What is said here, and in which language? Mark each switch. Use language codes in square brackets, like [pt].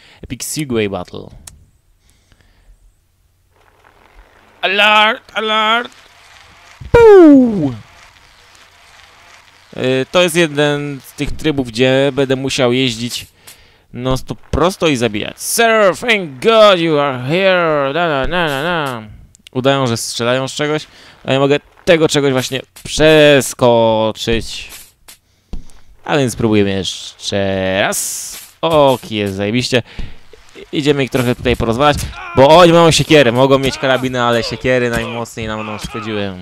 [en] Epic Segway Battle. Alert! Puuu! [pl] To jest jeden z tych trybów, gdzie będę musiał jeździć no to prosto i zabijać. [en] Sir, thank God you are here! [pl] Na. Udają, że strzelają z czegoś, a ja mogę tego czegoś właśnie przeskoczyć. A więc spróbujemy jeszcze raz. Ok, jest zajebiście. Idziemy ich trochę tutaj porozmawiać, bo oni mają siekiery. Mogą mieć karabiny, ale siekiery najmocniej nam będą szkodziły.